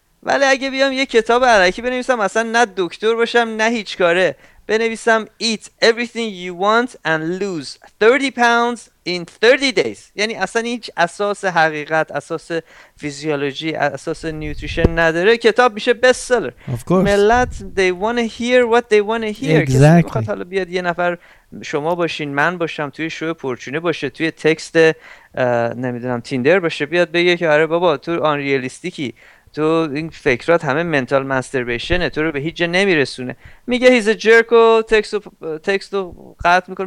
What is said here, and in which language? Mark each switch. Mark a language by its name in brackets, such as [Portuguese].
[Persian] ولی اگه بیام یه کتاب علکی بنویسم، اصلا نه دکتر باشم نه هیچ کاره، بنویسم [English] eat everything you want and lose 30 pounds in 30 days، [Persian] یعنی اصلا هیچ اساس حقیقت، اساس فیزیولوژی، اساس نیوتریشن نداره، کتاب میشه بست سلر. [English] Of course. [Persian] ملت [English] they want to hear what they want to hear. Exactly. [Persian] کسی میخواد حالا بیاد یه نفر شما باشین، من باشم، توی شو پرچونه باشه، توی تکست نمیدونم تیندر باشه، بیاد بگه که آره بابا تو آنریالیستیکی، تو این فکرات همه منتال مستربیشنه، تو رو به هیچ جا نمیرسونه، میگه [English] he's a jerk [Persian] و تکستو قطع میکنه.